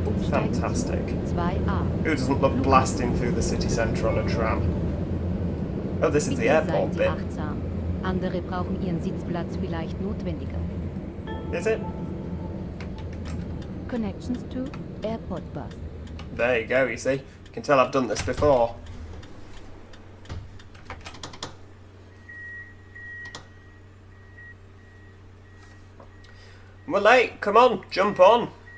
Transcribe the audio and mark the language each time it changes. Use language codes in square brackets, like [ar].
[en] Fantastic. Who doesn't love blasting through the city centre on a tram? Oh, this is the airport bit. [de] Andere brauchen ihren Sitzplatz vielleicht notwendiger. [en] Is it? Connections to airport bus. There you go, you see. You can tell I've done this before. We're late, come on, jump on.